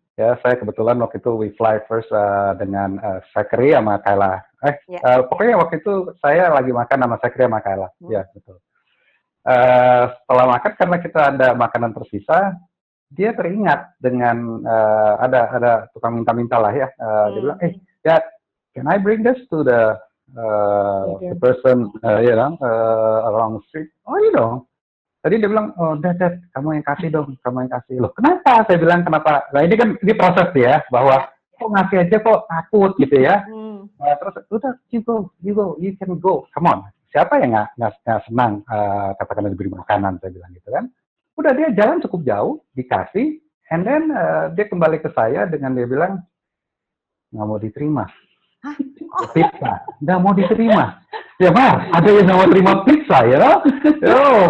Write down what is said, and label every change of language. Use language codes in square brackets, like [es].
[id] Ya, saya kebetulan waktu itu [en] we fly first [id] dengan Sakri sama Kayla. Pokoknya waktu itu saya lagi makan sama Sakri sama Kayla. Setelah makan, karena kita ada makanan tersisa, dia teringat dengan ada tukang minta-minta lah ya. [en] Dia bilang, Dad, can I bring this to the person around the street? Oh, you know. [id] Tadi dia bilang, oh Dad, kamu yang kasih dong, kamu yang kasih. Loh, kenapa? Saya bilang, kenapa? Nah, ini kan di proses ya, bahwa kok ngasih aja kok takut gitu ya. [en] Terus, udah, you go, you can go, come on. [id] Siapa yang gak senang katakanlah diberi makanan, saya bilang gitu kan. Udah, dia jalan cukup jauh, dikasih, and then dia kembali ke saya dengan dia bilang, gak mau diterima. Pizza, nggak mau diterima. Ya mah, ada yang nggak mau terima pizza, ya you know?